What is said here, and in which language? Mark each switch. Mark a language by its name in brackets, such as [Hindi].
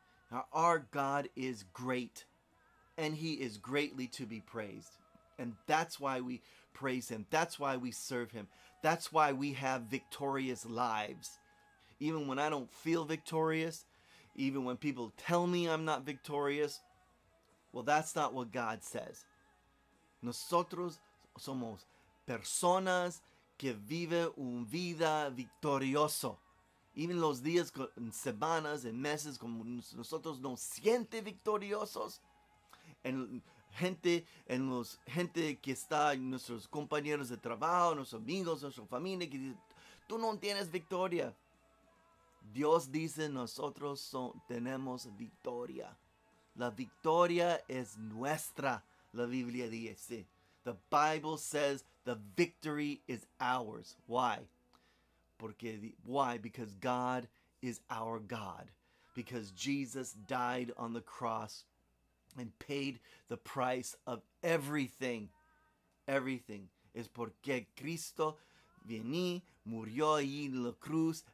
[English] Now, our God is great. And He is greatly to be praised. And that's why we praise Him. That's why we serve Him. That's why we have victorious lives. Even when I don't feel victorious, even when people tell me I'm not victorious, well, that's not what God says. [Spanish] Nosotros somos personas que vive una vida victoriosa. Even los días, semanas, y meses, como nosotros nos siente victoriosos. And gente, en los gente que está, nuestros compañeros de trabajo, nuestros amigos, nuestra familia, que dice, tú no tienes victoria. Dios dice, nosotros tenemos victoria. La victoria es nuestra, la Biblia dice. [English] The Bible says the victory is ours. Why? Because God is our God. Because Jesus died on the cross and paid the price of everything. Everything. [Spanish] Es porque Cristo vino, murió allí en la cruz.